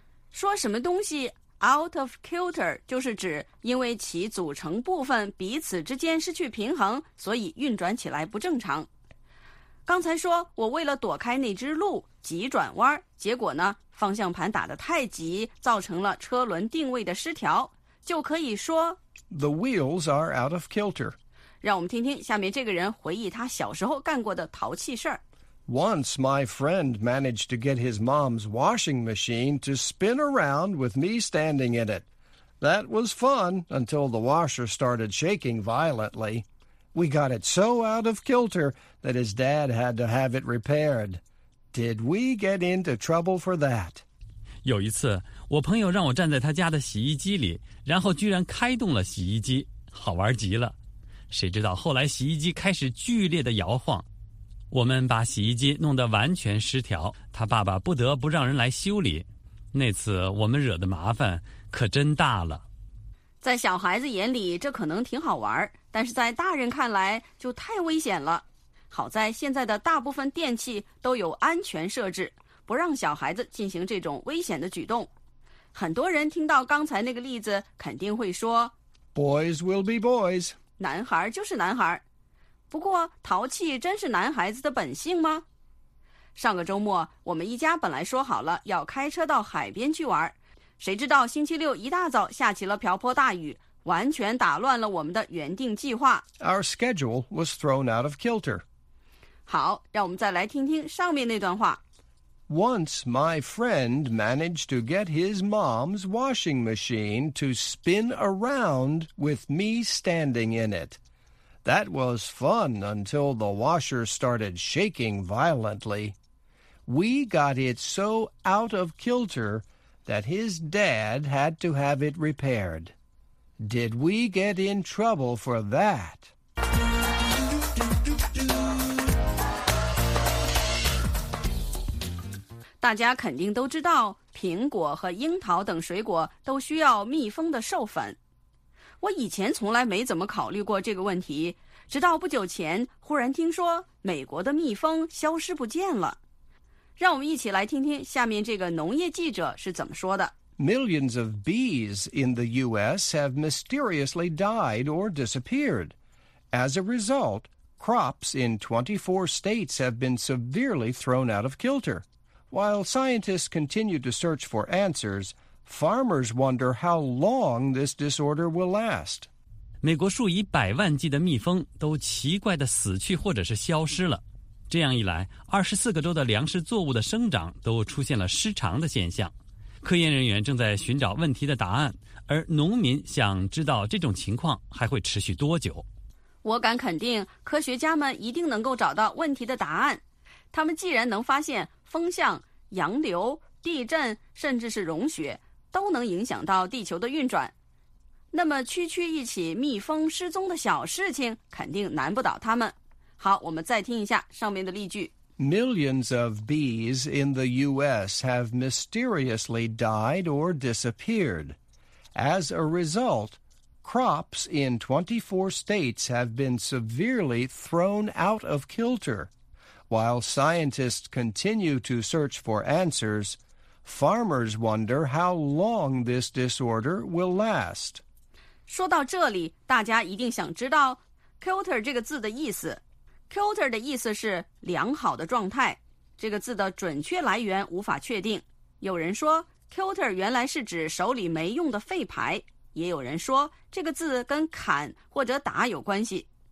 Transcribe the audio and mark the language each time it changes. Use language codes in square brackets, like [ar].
[zh] 说什么东西 [en] out of kilter [zh] 就是指因为其组成部分彼此之间失去平衡，所以运转起来不正常。刚才说我为了躲开那只鹿急转弯，结果呢方向盘打得太急，造成了车轮定位的失调，就可以说 [en] The wheels are out of kilter. [zh] 让我们听听下面这个人回忆他小时候干过的淘气事儿。 [en] Once my friend managed to get his mom's washing machine to spin around with me standing in it. That was fun until the washer started shaking violently. We got it so out of kilter that his dad had to have it repaired. Did we get into trouble for that? [zh] 有一次，我朋友让我站在他家的洗衣机里，然后居然开动了洗衣机，好玩极了。谁知道后来洗衣机开始剧烈的摇晃，我们把洗衣机弄得完全失调，他爸爸不得不让人来修理。那次我们惹的麻烦可真大了。在小孩子眼里这可能挺好玩，但是在大人看来就太危险了。好在现在的大部分电器都有安全设置，不让小孩子进行这种危险的举动。很多人听到刚才那个例子肯定会说 [en] Boys will be boys. [zh] 男孩就是男孩。不过淘气真是男孩子的本性吗？上个周末我们一家本来说好了要开车到海边去玩，谁知道星期六一大早下起了瓢泼大雨，完全打乱了我们的原定计划。 [en] Our schedule was thrown out of kilter. [zh] 好，让我们再来听听上面那段话。 [en] Once my friend managed to get his mom's washing machine to spin around with me standing in it. That was fun until the washer started shaking violently. We got it so out of kilter that his dad had to have it repaired. Did we get in trouble for that? [zh] 大家肯定都知道，苹果和樱桃等水果都需要密封的授粉。我以前从来没怎么考虑过这个问题，直到不久前忽然听说美国的蜜蜂消失不见了。让我们一起来听听下面这个农业记者是怎么说的。 [en] Millions of bees in the U.S. have mysteriously died or disappeared. As a result, crops in 24 states have been severely thrown out of kilter. While scientists continue to search for answers, farmers wonder how long this disorder will last. [zh] 美国数以百万计的蜜蜂都奇怪地死去或者是消失了。这样一来，24个州的粮食作物的生长都出现了失常的现象。科研人员正在寻找问题的答案，而农民想知道这种情况还会持续多久。我敢肯定，科学家们一定能够找到问题的答案。他们既然能发现风向、洋流、地震，甚至是融雪，都能影响到地球的运转，那么区区一起蜜蜂失踪的小事情，肯定难不倒他们。好，我们再听一下上面的例句。 [en] Millions of bees in the U.S. have mysteriously died or disappeared. As a result, crops in 24 states have been severely thrown out of kilter. While scientists continue to search for answers, farmers wonder how long this disorder will last. [zh] 说到这里，大家一定想知道 kilter 这个字的意思。 kilter 的意思是良好的状态。这个字的准确来源无法确定。有人说 kilter 原来是指手里没用的废牌，也有人说这个字跟砍或者打有关系。